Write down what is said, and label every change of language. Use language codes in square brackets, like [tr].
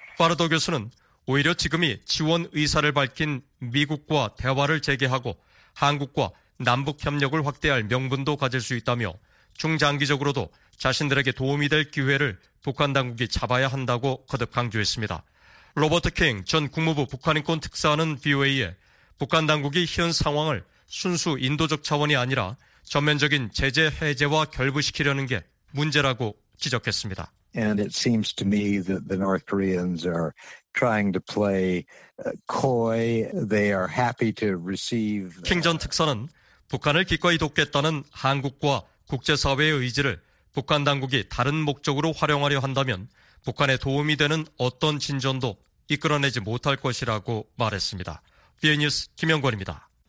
[ko] 파르도 교수는 오히려 지금이 지원 의사를 밝힌 미국과 대화를 재개하고 한국과 남북 협력을 확대할 명분도 가질 수 있다며 중장기적으로도 자신들에게 도움이 될 기회를 북한 당국이 잡아야 한다고 거듭 강조했습니다. 로버트 킹 전 국무부 북한인권 특사는 VOA에 북한 당국이 현 상황을 순수 인도적 차원이 아니라 전면적인 제재 해제와 결부시키려는 게 문제라고 지적했습니다. [en] And it seems to me that the North Koreans are trying to play coy. They are happy to receive. [ko] 킹 전 특사는 북한을 기꺼이 돕겠다는 한국과 국제사회의 의지를 북한 당국이 다른 목적으로 활용하려 한다면 북한에 도움이 되는 어떤 진전도 이끌어내지 못할 것이라고 말했습니다. VOA 뉴스 김영권입니다.